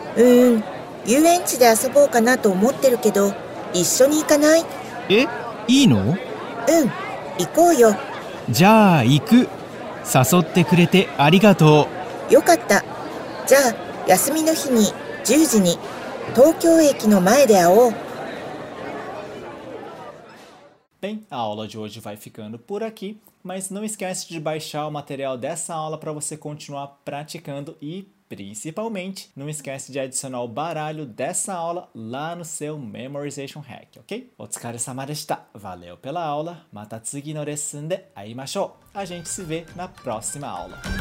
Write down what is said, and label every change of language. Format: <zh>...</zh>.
<ja>遊園地で遊ぼうかなと思ってるけど、一緒に行かない？え、いいの？行こうよ。じゃあ行く。誘ってくれてありがとう。よかった。じゃあ休みの日に10時に東京駅の前で会おう。</ja> <pt>Bem, a aula de hoje vai ficando por aqui, mas não esquece de baixar o material dessa aula para você continuar praticando e, principalmente, não esquece de adicionar o baralho dessa aula lá no seu Memorization Hack, ok?</pt> <ja>お疲れ様でした。</ja> <pt>Valeu pela aula.</pt> <ja>また次のレッスンで会いましょう。</ja> <pt>A gente se vê na próxima aula.</pt>